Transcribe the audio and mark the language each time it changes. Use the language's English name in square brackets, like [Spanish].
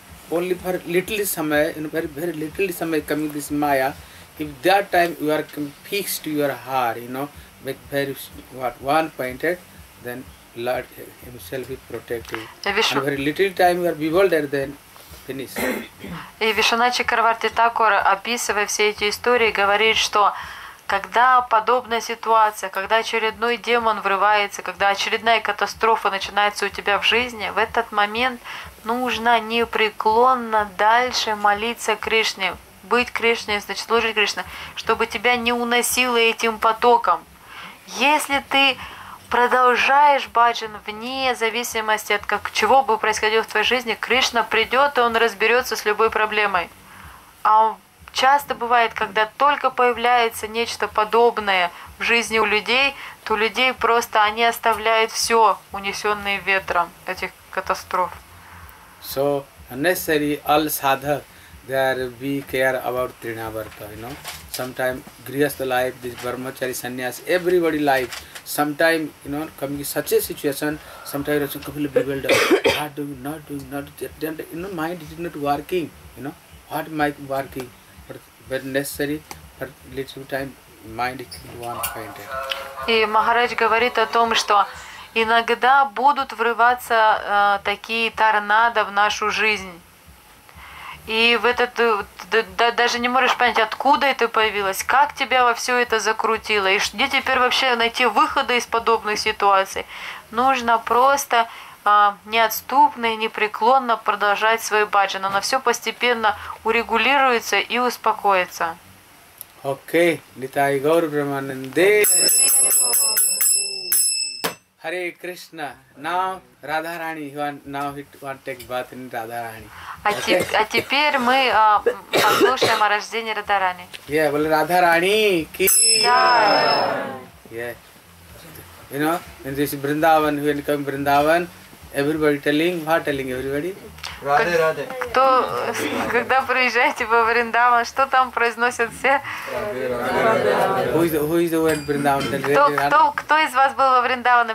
[English] Only for little samay, you know, very little samay coming this maya, if that time you are fixed to your heart, you know, with very one-pointed, then Lord Himself is protective. Yeah, and very little time you are bewildered, then пенис. [Russian] И Вишванатха Чакраварти Такур, описывая все эти истории, говорит, что когда подобная ситуация, когда очередной демон врывается, когда очередная катастрофа начинается у тебя в жизни, в этот момент нужно непреклонно дальше молиться Кришне. Быть Кришне, значит служить Кришне, чтобы тебя не уносило этим потоком. Если ты продолжаешь баджан вне зависимости от как, чего бы происходило в твоей жизни, Кришна придет, и он разберется с любой проблемой. А часто бывает, когда только появляется нечто подобное в жизни у людей, то людей просто они оставляют все, унесенные ветром этих катастроф. [English] So, necessary all sadhak, there we care about Trinavarta, you know. Sometimes grihastha life, this brahmachari sannyas, everybody life. Sometimes, you know, coming to such a situation, sometimes it's completely bewildered. What doing, not doing, not doing, you know, mind is not working, you know. What mind working? But necessary, for little time, mind is one point. And [Russian] Maharaj говорит о том, что иногда будут врываться такие торнадо в нашу жизнь. И в этот даже не можешь понять, откуда это появилось, как тебя во все это закрутило, и где теперь вообще найти выходы из подобных ситуаций. Нужно просто неотступно и непреклонно продолжать свой баджан. Оно все постепенно урегулируется и успокоится. Окей, Нитай Гаур Брамананде. [English] Hare Krishna. Now Radharani, now he wants to take bath in Radharani. [Russian] А теперь мы послушаем о рождении Радхарани. [English] Yeah, well, Radharani ki. Yeah. Yeah. You know, in this Vrindavan, when you come to Vrindavan, everybody telling, what telling everybody? Radhe, Radhe. [Russian] Кто, когда приезжаете во Вриндаван, что там произносят все? [English] Who is the one in Vrindavan? [Russian] Кто из вас был во Вриндаване?